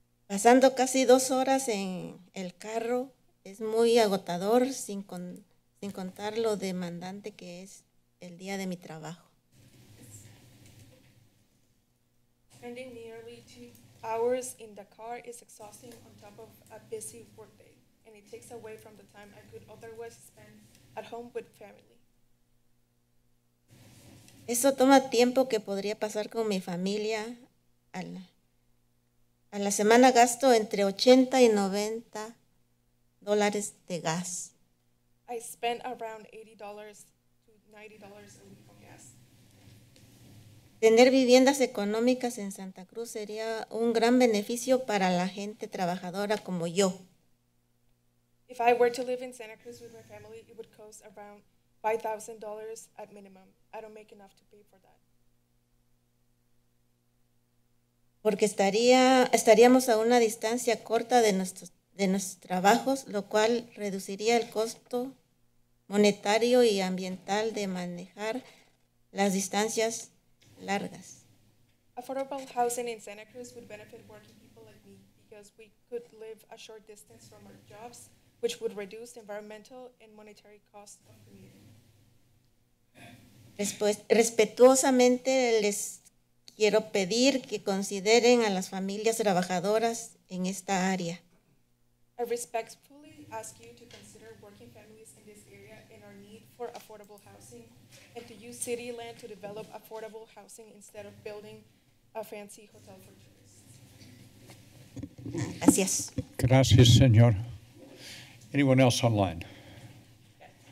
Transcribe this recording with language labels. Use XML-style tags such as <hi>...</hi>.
<es>Pasando casi dos horas en el carro es muy agotador sin contar lo demandante que es el día de mi trabajo.</es> <en>Spending nearly 2 hours in the car is exhausting on top of a busy workday. And it takes away from the time I could otherwise spend at home with family.</en> <es>Eso toma tiempo que podría pasar con mi familia. A la semana gasto entre 80 y 90 dólares de gas.</es> <en>I spent around $80 to $90 a week on gas.</en> <es>Tener viviendas económicas en Santa Cruz sería un gran beneficio para la gente trabajadora como yo.</es> <en>If I were to live in Santa Cruz with my family, it would cost around $5,000 at minimum. I don't make enough to pay for that.</en> <es>Porque estaríamos a una distancia corta de nuestros trabajos, lo cual reduciría el costo monetario y ambiental de manejar las distancias largas.</es> <en>Affordable housing in Santa Cruz would benefit working people like me because we could live a short distance from our jobs, which would reduce the environmental and monetary costs of commuting.</en> <es>Respetuosamente les quiero pedir que consideren a las familias trabajadoras en esta área.</es> <en>I respectfully ask you to consider working families in this area and our need for affordable housing, and to use city land to develop affordable housing instead of building a fancy hotel for tourists.</en> <es>Gracias. Gracias, señor.</es> <en>Anyone else online? Yes.</en>